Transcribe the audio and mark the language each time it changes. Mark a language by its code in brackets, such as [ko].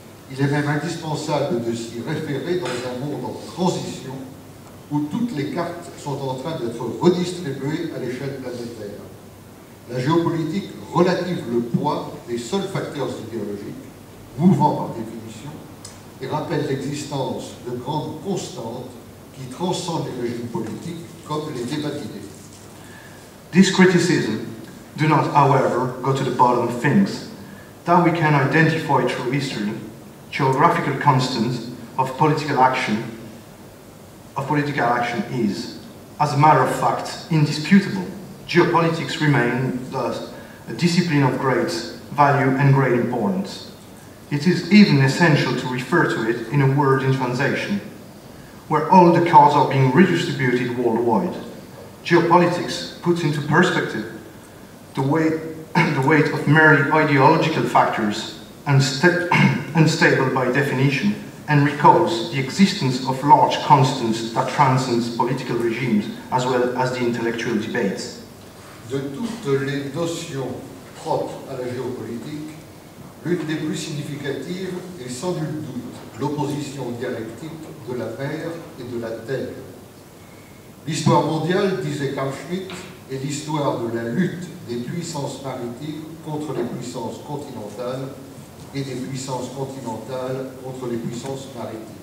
[fr] Il est même indispensable de s'y référer dans un monde en transition où toutes les cartes sont en train d'être redistribuées à l'échelle planétaire. La géopolitique relative le poids des seuls facteurs idéologiques, mouvants par définition, et rappelle l'existence de grandes constantes qui transcendent les régimes politiques comme les débats d'idées. [en] These criticisms do not, however, go to the bottom of things. That we can identify through history geographical constants of political action is, as a matter of fact, indisputable. Geopolitics remains thus a discipline of great value and great importance. It is even essential to refer to it in a word in translation, where all the cards are being redistributed worldwide. Geopolitics puts into perspective the weight of merely ideological factors unstable by definition, and recalls the existence of large constants that transcends political regimes as well as the intellectual debates. [fr] De toutes les notions propres à la géopolitique, l'une des plus significatives est sans nul doute l'opposition dialectique de la mer et de la terre. L'histoire mondiale, disait Carl Schmitt, est l'histoire de la lutte des puissances maritimes contre les puissances continentales et des puissances continentales contre les puissances maritimes.